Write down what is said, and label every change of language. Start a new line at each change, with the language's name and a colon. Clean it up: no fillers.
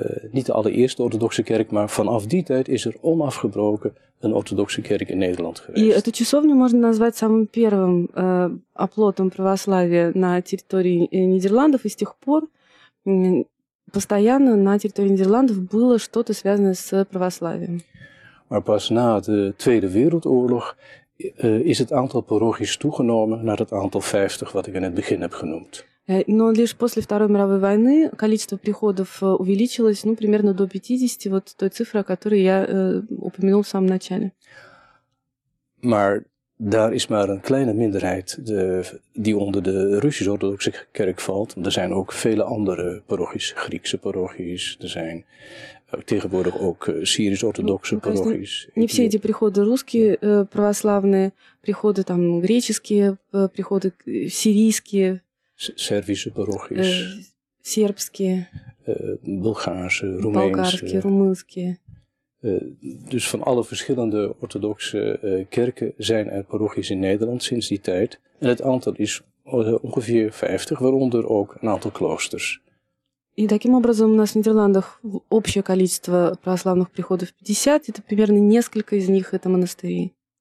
Dutch: Niet de allereerste orthodoxe kerk, maar vanaf die tijd is er onafgebroken een orthodoxe kerk in Nederland geweest.
Russian: Эту часовню можно назвать самым первым оплотом православия на территории Нидерландов, и с тех пор постоянно на территории Нидерландов было что-то связанное с православием.
Dutch: Maar pas na de Tweede Wereldoorlog is het aantal parochies toegenomen naar het aantal 50 wat ik in het begin heb genoemd.
Russian: Но лишь после Второй мировой войны количество приходов увеличилось, ну, примерно до 50, вот той цифры, о которой я упомянул в самом начале.
Dutch: Maar daar is maar een kleine minderheid die onder de Russisch-Orthodoxe kerk valt. Er zijn ook vele andere parochies, Griekse parochies, er zijn tegenwoordig ook Syrisch-Orthodoxe parochies.
Russian: Не все эти приходы русские православные, приходы там греческие, приходы сирийские.
Dutch: Servische parochies.
Russian: Сербские.
Dutch: Bulgaarse, Roemeense. Roemeenske. Dus van alle verschillende orthodoxe kerken zijn er parochies in Nederland sinds die tijd. En het aantal is ongeveer 50, waaronder ook een aantal kloosters.
Russian: И таким образом у нас в Нидерландах общее количество православных приходов 50. Это примерно несколько из них это монастыри.